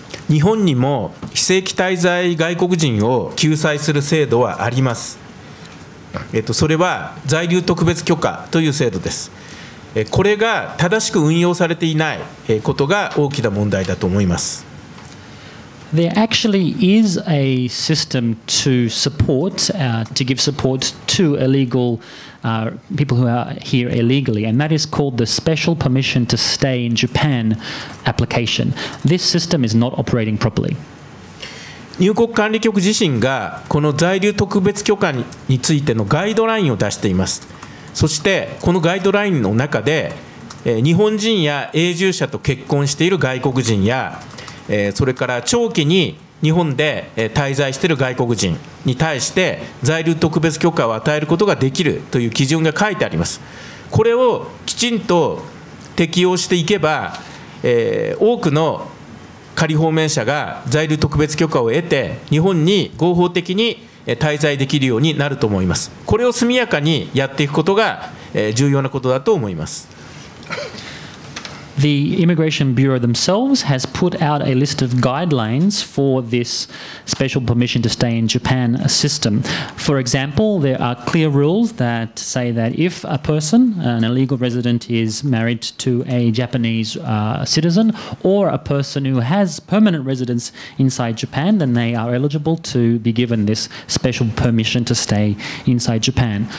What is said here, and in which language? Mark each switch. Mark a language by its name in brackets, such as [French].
[Japanese] 日本にも非正規滞在外国人を救済する制度はあります。それは在留特別許可という制度です。これが正しく運用されていないことが大きな問題だと思います。 [English] There actually is a system to support, to give support to illegal people who are here illegally, and that is called the Special Permission to Stay in Japan application. This system is not operating properly. [Japanese] 入国管理局自身がこの在留特別許可についてのガイドラインを出しています。そしてこのガイドラインの中で、日本人や永住者と結婚している外国人やそれから長期に日本で滞在している外国人に対して在留特別許可を与えることができるという基準が書いてあります。これをきちんと適用していけば、多くの仮放免者が在留特別許可を得て日本に合法的に滞在できるようになると思います。これを速やかにやっていくことが重要なことだと思います。 [English] The Immigration Bureau themselves has put out a list of guidelines for this special permission to stay in Japan system. For example, there are clear rules that say that if a person, an illegal resident, is married to a Japanese citizen or a person who has permanent residence inside Japan, then they are eligible to be given this special permission to stay inside Japan.